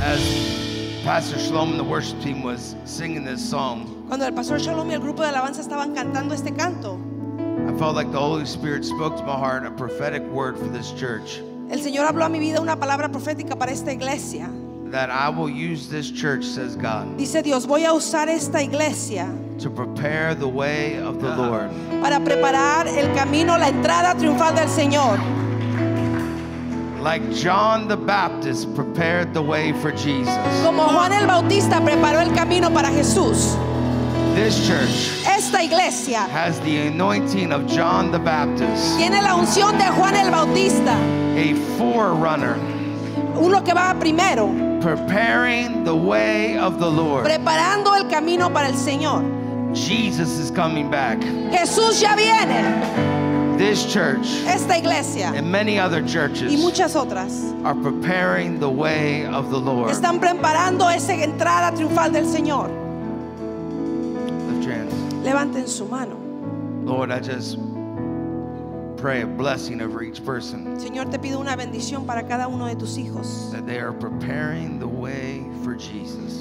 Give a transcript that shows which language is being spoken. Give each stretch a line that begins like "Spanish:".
English: As Pastor Shalom and the worship team was singing this song,
Spanish: cuando el Pastor Shalom y el grupo de alabanza estaban cantando este canto,
English: I felt like the Holy Spirit spoke to my heart a prophetic word for this church.
Spanish: El Señor habló a mi vida una palabra profética para esta iglesia.
English: That I will use this church, says God.
Spanish: Dice Dios, voy a usar esta iglesia.
English: To prepare the way of the Lord.
Spanish: Para preparar el camino, la entrada triunfal del Señor.
English: Like John the Baptist prepared the way for Jesus.
Spanish: Como Juan el Bautista preparó el camino para Jesús.
English: This church.
Spanish: Esta iglesia.
English: Has the anointing of John the Baptist.
Spanish: Tiene la unción de Juan el Bautista.
English: A forerunner.
Spanish: Uno que va primero.
English: Preparing the way of the Lord.
Spanish: Preparando el camino para el Señor.
English: Jesus is coming back.
Spanish: Jesús ya viene.
English: This church.
Spanish: Esta iglesia.
English: And many other churches.
Spanish: Y muchas otras.
English: Are preparing the way of the Lord.
Spanish: Están preparando esa entrada triunfal del Señor.
English: Lift your hands.
Spanish: Levanten su mano.
English: Lord, I just pray a blessing over each person.
Spanish: Señor, te pido una bendición para cada uno de tus hijos.
English: That they are preparing the way for Jesus.